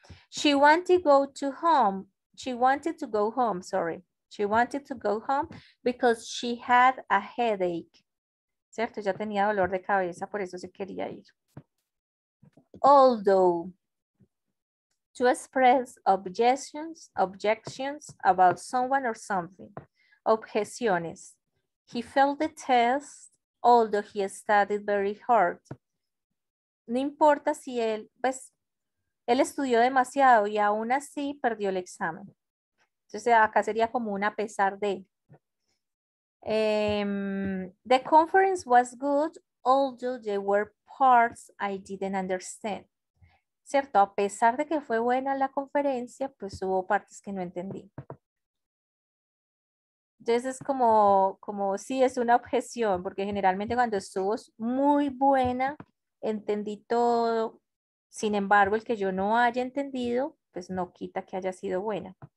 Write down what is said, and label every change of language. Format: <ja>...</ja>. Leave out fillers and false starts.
<en>She wanted to go home because she had a headache.</en> <es>¿Cierto? Ya tenía dolor de cabeza, por eso se quería ir.</es> <en>Although, to express objections about someone or something.</en> <es>Objeciones.</es> <en>He failed the test, although he studied very hard.</en> <es>No importa si él, pues, Él estudió demasiado y aún así perdió el examen. Entonces, acá sería como un a pesar de.</es> <en>The conference was good, although there were parts I didn't understand.</en> <es>¿Cierto? A pesar de que fue buena la conferencia, pues hubo partes que no entendí. Entonces es como sí, es una objeción, porque generalmente cuando estuvo muy buena, entendí todo. Sin embargo, el que yo no haya entendido, pues no quita que haya sido buena.</es>